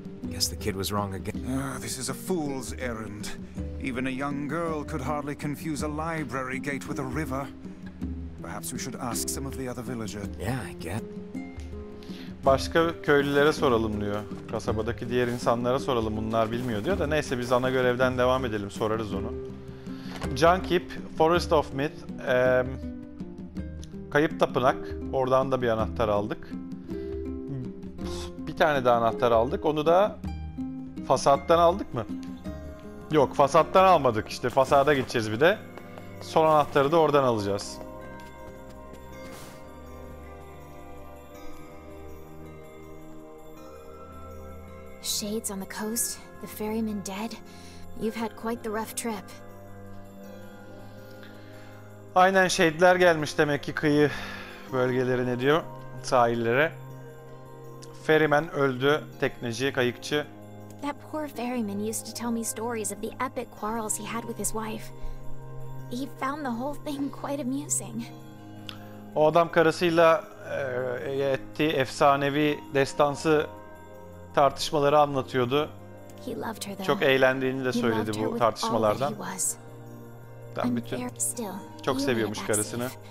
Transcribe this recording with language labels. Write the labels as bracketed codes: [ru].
[en] Guess the kid was wrong again. This is a fool's errand. Even a young girl could hardly confuse a library gate with a river. Perhaps we should ask some of the other villagers. Yeah, I guess. [tr] Başka köylülere soralım diyor. Kasabadaki diğer insanlara soralım. Bunlar bilmiyor diyor da, neyse biz ana görevden devam edelim. Sorarız onu. Junkheap, Forest of Myth, Kayıp Tapınak. Oradan da bir anahtar aldık. Bir tane daha anahtar aldık. Onu da Fasattan aldık mı? Yok, fasattan almadık işte. Fasada gideceğiz bir de. Son anahtarı da oradan alacağız. [en] Shades on the coast, the ferryman dead. You've had quite the rough trip. [tr] Aynen, şehitler gelmiş demek ki kıyı bölgelerine diyor, sahillere. Ferryman öldü, tekneci, kayıkçı. [en] That poor ferryman used to tell me stories of the epic quarrels he had with his wife. He found the whole thing quite amusing. [tr] O adam karısıyla ettiği efsanevi destansı, tartışmaları anlatıyordu. [en] He loved her, [tr] çok eğlendiğini de söyledi bu tartışmalardan. Ben bütün çok seviyormuş karısını.